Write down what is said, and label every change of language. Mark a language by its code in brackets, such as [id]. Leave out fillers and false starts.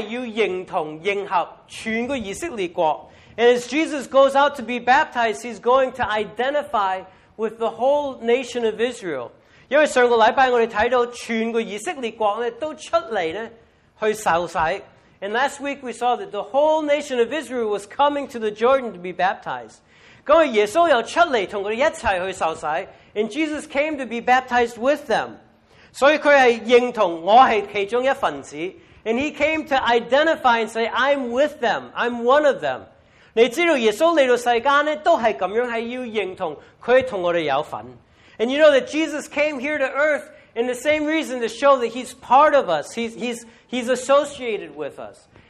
[zh] 第二呢,耶稣出来受洗呢,都是要认同,认合,全个以色列国. [en] And as Jesus goes out to be baptized, he's going to identify with the whole nation of Israel. [zh] 因为上个礼拜我们看到,全个以色列国呢,都出来呢,去受洗. [en] And last week we saw that the whole nation of Israel was coming to the Jordan to be baptized. [zh] 各位,耶稣又出来跟他们一起去受洗, [en] and Jesus came to be baptized with them. [zh] 所以他是认同我是其中一份子, [en] and he came to identify and say, I'm with them, I'm one of them. [zh] 你知道耶稣来到世间都是这样,是要认同他跟我们有份. [en] And you know that Jesus came here to earth in the same reason to show that he's part of us, he's associated with us.